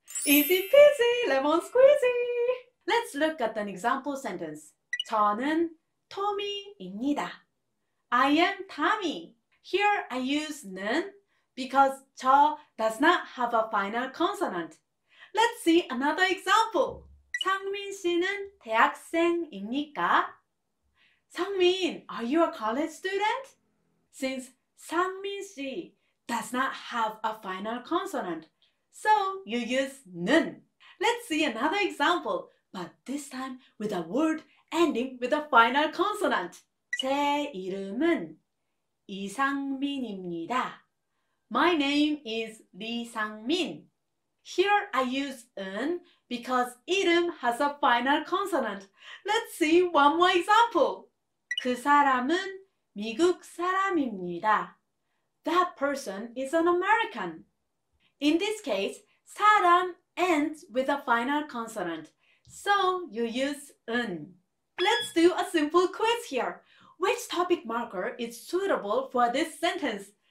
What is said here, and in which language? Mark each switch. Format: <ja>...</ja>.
<en>Easy peasy, lemon squeezy! Let's look at an example sentence.</en> <ko>저는 토미입니다.</ko> <en>I am Tommy. Here I use 는 because 저 does not have a final consonant. Let's see another example.</en> <ko>상민 씨는 대학생입니까?</ko> <en>상민, are you a college student? Since 상민 씨 does not have a final consonant, so you use 는. Let's see another example, but this time with a word ending with a final consonant.</en> <ko>제 이름은 이상민입니다.</ko> <en>My name is 리상민. Here I use 은 because 이름 has a final consonant. Let's see one more example.</en> <ko>그 사람은 미국 사람입니다.</ko> <en>That person is an American. In this case, 사람 ends with a final consonant, so you use 은. Let's do a simple quiz here. Which topic marker is suitable for this sentence?</en>